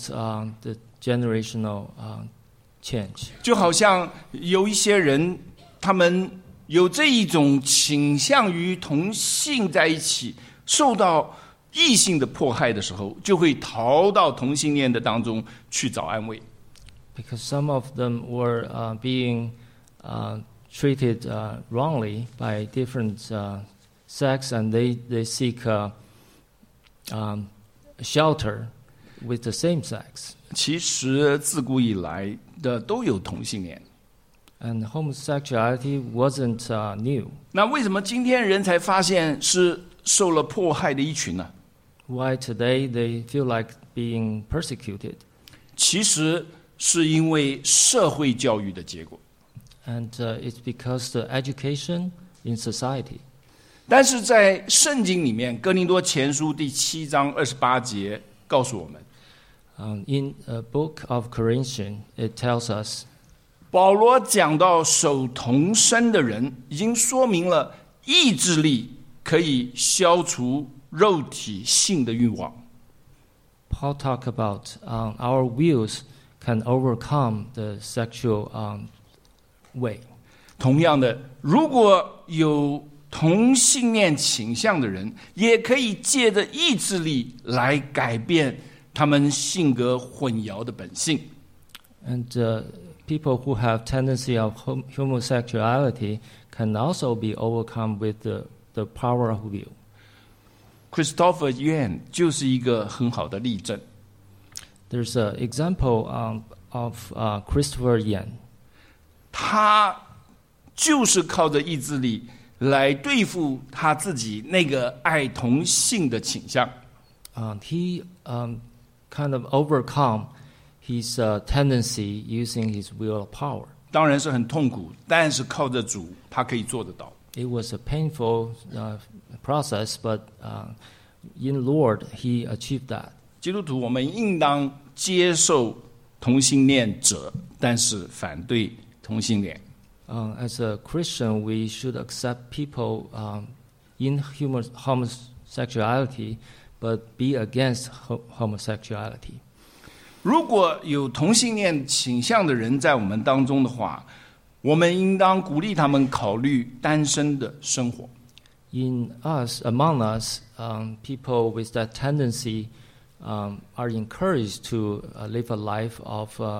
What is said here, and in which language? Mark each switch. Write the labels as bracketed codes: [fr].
[en] It's the early ancestors, their sin caused the generational change. [zh] 就好像有一些人他们有这一种倾向于同性在一起受到异性的迫害的时候，就会逃到同性恋的当中去找安慰。 [en] Because some of them were being treated wrongly by different sex, and they seek shelter with the same sex. [zh] 其实自古以来的都有同性恋。 [en] And homosexuality wasn't new. [zh] 那为什么今天人才发现是受了迫害的一群呢？ [en] Why today they feel like being persecuted? [zh] 其实是因为社会教育的结果。 [en] And it's because the education in society. [zh] 但是在圣经里面，哥林多前书第七章二十八节告诉我们。 [en] In a book of Corinthians, it tells us. [zh] 保罗讲到守童身的人，已经说明了意志力可以消除肉体性的欲望。 [en] Paul talked about our wills can overcome the sexual way. [zh] 同样的，如果有同性恋倾向的人，也可以借着意志力来改变他们性格混淆的本性。 [en] And people who have tendency of homosexuality can also be overcome with the power of will. [zh] Christopher Yuan 就是一个很好的例证。 [en] There's an example of Christopher Yuan. [zh] 他就是靠着意志力来对付他自己那个爱同性的倾向。 [en] He kind of overcome his tendency using his will of power. [zh] 当然是很痛苦，但是靠着主，他可以做得到。 [en] It was a painful process, but in Lord, he achieved that. [zh] 基督徒，我们应当接受同性恋者，但是反对同性恋。 [en] As a Christian, we should accept people in homosexuality, but be against homosexuality. [zh] 如果有同性恋倾向的人在我们当中的话，我们应当鼓励他们考虑单身的生活。 [en] In us, among us, people with that tendency are encouraged to live a life of